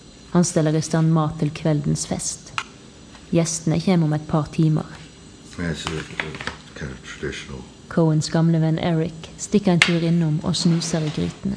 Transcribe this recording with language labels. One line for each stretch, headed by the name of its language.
Swedish: Han ställer i stan mat till kvällens fest. Gästerna kommer om ett par timmar.
English: It's kind of traditional.
Swedish: Cohens gamla vän Eric sticker en tur inom och snusar i grytorna.